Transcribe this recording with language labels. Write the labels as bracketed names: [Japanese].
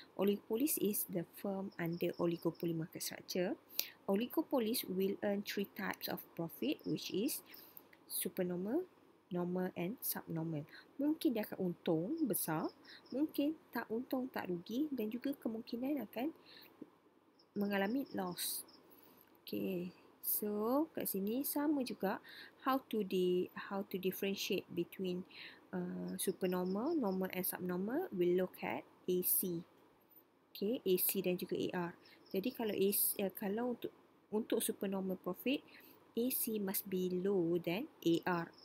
[English] Oligopolies is the firm under oligopoly market structure. Oligopolies will earn three types of profit, which is supernormal, normal and subnormal. [Malay] Mungkin dia akan untung besar, mungkin tak untung, tak rugi, dan juga kemungkinan akan mengalami loss. [English] Okay, so [Malay] kat sini sama juga, [English] how to differentiate between supernormal, normal and subnormal, we look at AC. Okay, AC [Malay] dan juga [English] AR. [Malay] Jadi kalau untuk [English] supernormal profit, AC must be low than AR.